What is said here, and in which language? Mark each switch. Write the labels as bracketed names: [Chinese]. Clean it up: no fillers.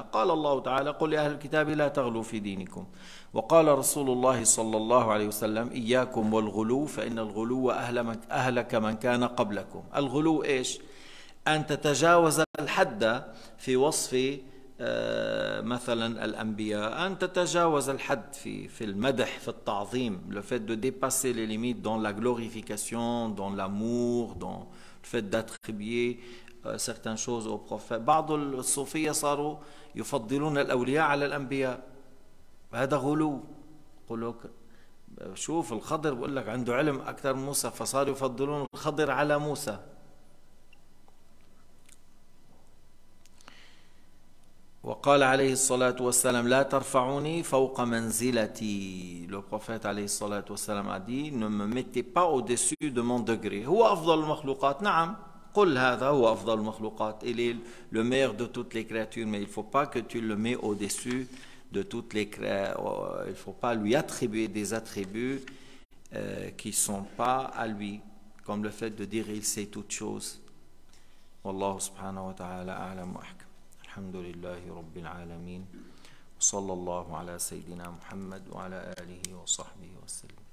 [Arabic] قال الله تعالى قل يا أهل الكتاب لا تغلوا في دينكم، وقال رسول الله صلى الله عليه وسلم إياكم والغلو، فإن الغلو أهلك من كان قبلكم. الغلو إيش؟ أن تتجاوز الحد في وصف مثلا الأنبياء، أن تتجاوز الحد في المدح، في التعظيم. [French] le fait de dépasser les limites dans la glorification, dans l'amour, dans le fait d'attribuer certaines choses au prophète. [Arabic] بعض الصوفية صاروا يفضلون الأولياء على الأنبياء، هذا غلو. يقول لك شوف الخضر، بقول لك عنده علم أكثر من موسى، فصاروا يفضلون الخضر على موسى. و وقال عليه الصلاة والسلام لا ترفعوني فوق منزلتي. [French] Le prophète عليه الصلاة والسلام a dit ne me mettez pas au-dessus de mon degré. [Arabic] هو أفضل المخلوقات. نعم قل هذا هو أفضل المخلوقات. [French] Il est le meilleur de toutes les créatures, mais il ne faut pas que tu le mets au-dessus de toutes les créatures. Il ne faut pas lui attribuer des attributs qui ne sont pas à lui, comme le fait de dire il sait toutes choses. [Arabic] والله سبحانه وتعالى أعلم وأحكم. الحمد لله رب العالمين، وصلى الله على سيدنا محمد وعلى آله وصحبه وسلم.